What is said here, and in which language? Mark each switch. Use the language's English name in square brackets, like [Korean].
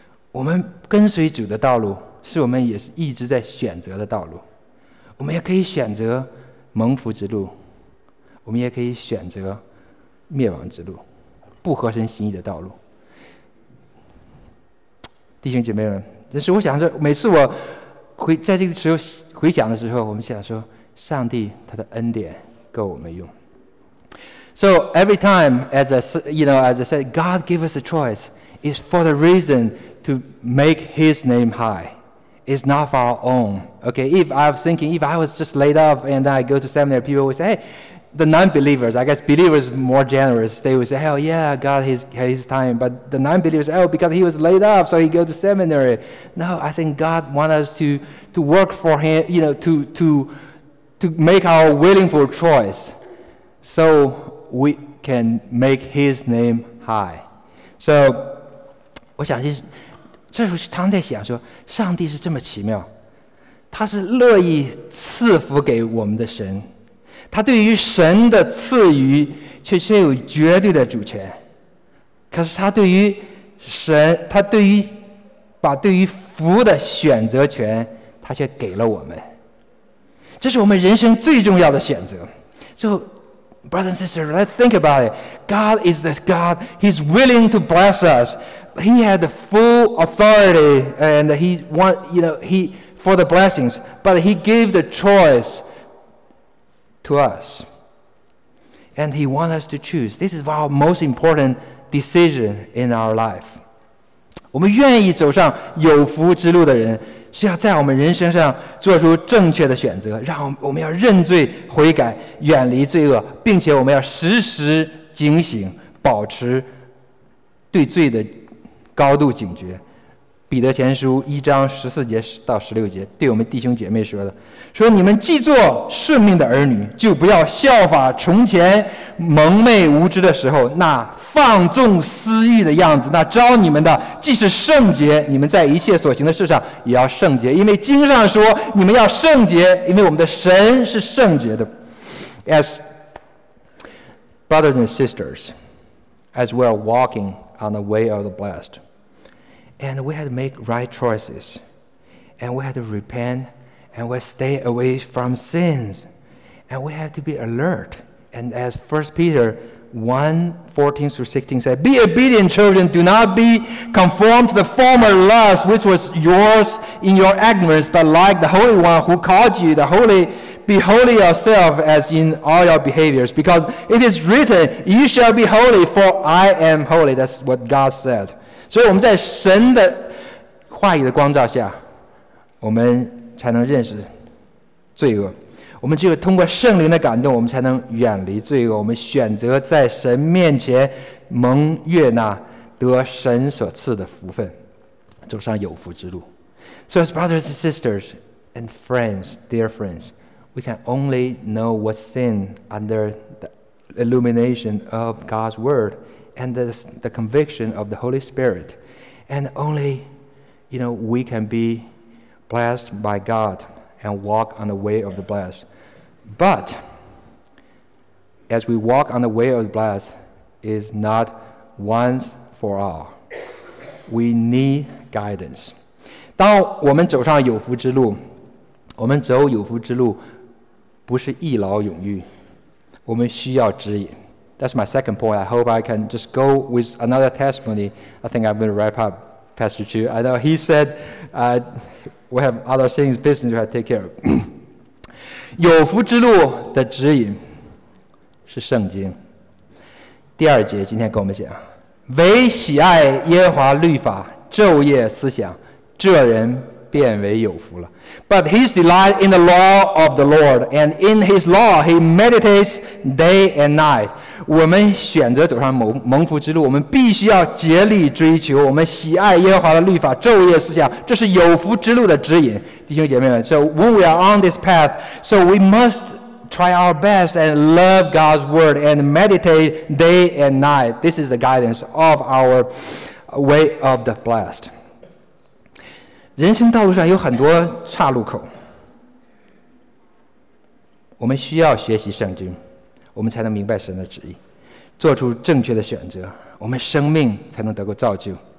[Chinese] 我们跟随主的道路是我们也是一直在选择的道路，我们也可以选择蒙福之路，我们也可以选择灭亡之路，不合神心意的道路。弟兄姐妹们，但是我想说，每次我回在这个时候回想的时候，我们想说上帝他的恩典够我们用。 [English] So every time, as I said, God gave us a choice, it's for the reason to make his name high. It's not for our own. Okay, if I was just laid off and I go to seminary, people would say, the non-believers, I guess believers are more generous. They would say, oh yeah, God has his time. But the non-believers, because he was laid off, so he go to seminary. No, I think God wants us to work for him, you know, to make our willingful choice so we can make his name high. [Chinese] So, 我想其实这时候常常在想说，上帝是这么奇妙，他是乐意赐福给我们的神，他对于神的赐予却是有绝对的主权，可是他对于福的选择权他却给了我们，这是我们人生最重要的选择。 [English] So brothers and sisters, let's think about it. God is this God, he's willing to bless us. He had the full authority and he want, you know, he for the blessings, but he gave the choice to us. And he wants us to choose. This is our most important decision in our life. [Chinese] 我们愿意走上有福之路的人是要在我们人生上做出正确的选择，让我们要认罪悔改，远离罪恶，并且我们要时时警醒，保持对罪的高度警觉。彼得前书一章十四节到十六节对我们弟兄姐妹说的，说你们既做顺命的儿女，就不要效法从前蒙昧无知的时候那放纵私欲的样子，那招你们的既是圣洁，你们在一切所行的事上也要圣洁，因为经上说你们要圣洁，因为我们的神是圣洁的。 [English] As brothers and sisters, as we are walking on the way of the blessed,And we had to make right choices. And we had to repent. And we stay away from sins. And we have to be alert. And as 1 Peter 1:14 through 16 said, Be obedient, children. Do not be conformed to the former lust, which was yours in your ignorance, but like the Holy One who called you, the Holy, be holy yourself as in all your behaviors. Because it is written, You shall be holy, for I am holy. That's what God said. [Chinese] 所以我们在神的话语的光照下，我们才能认识罪恶，我们只有通过圣灵的感动，我们才能远离罪恶，我们选择在神面前蒙悦纳，得神所赐的福分，走上有福之路。 [English] So as brothers and sisters and friends, dear friends, we can only know what's sin under the illumination of God's wordand the conviction of the Holy Spirit. And only, you know, we can be blessed by God and walk on the way of the blessed. But as we walk on the way of the blessed, is not once for all. We need guidance. [Chinese] 当我们走上有福之路，我们走有福之路不是一劳永逸，我们需要指引。 [English] That's my second point. I hope I can just go with another testimony. I think I'm going to wrap up, Pastor Chu. I know he said, we have other things, business we have to take care of. [Chinese] 有福之路的指引是圣经。第二节今天跟我们讲，唯喜爱耶和华律法，昼夜思想，这人变为有福了。 [English] But his delight in the law of the Lord, and in his law he meditates day and night. [Chinese] 我们选择走上蒙福之路，我们必须要竭力追求，我们喜爱耶和华的律法，昼夜思想，这是有福之路的指引，弟兄姐妹们。 [English] So when we are on this path, so we must try our best and love God's word and meditate day and night. This is the guidance of our way of the blessed. [Chinese] 人生道路上有很多岔路口，我们需要学习圣经，我们才能明白神的旨意，做出正确的选择，我们生命才能得过造就。